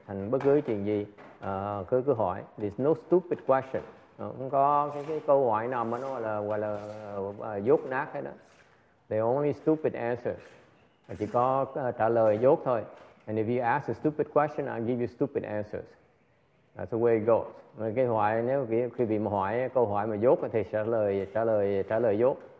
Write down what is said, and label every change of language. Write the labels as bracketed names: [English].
[Vietnamese] Thành bất cứ chuyện gì cứ hỏi. [English] There's no stupid question. [Vietnamese] Không có cái câu hỏi nào mà nó gọi là dốt nát hết đó. [English] The only stupid answers. [Vietnamese] Chỉ có trả lời dốt thôi. [English] And if you ask a stupid question, I'll give you stupid answers. That's the way it goes. [Vietnamese] Cái hỏi, nếu quý vị mà hỏi câu hỏi mà dốt thì trả lời dốt.